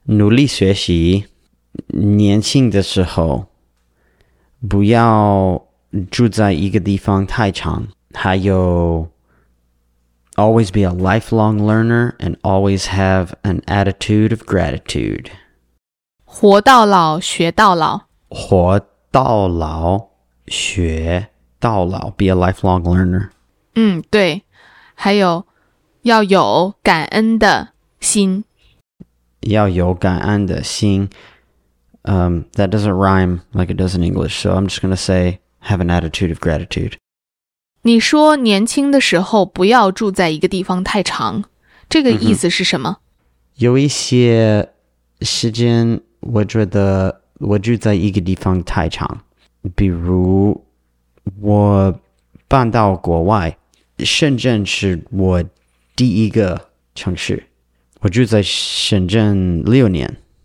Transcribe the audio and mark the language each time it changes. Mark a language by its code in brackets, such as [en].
[zh] 努力学习，年轻的时候不要住在一个地方太长，还有 [en] always be a lifelong learner and always have an attitude of gratitude. [zh] 活到老学到老，活到老学到老， [en] be a lifelong learner. [zh] 嗯，对，还有要有感恩的心，要有感恩的心。 [en] That doesn't rhyme like it does in English, so I'm just going to say have an attitude of gratitude. [zh] 你说年轻的时候不要住在一个地方太长，这个意思是什么？有一些时间我觉得我住在一个地方太长，比如我搬到国外，深圳是我第一个城市，我住在深圳6年。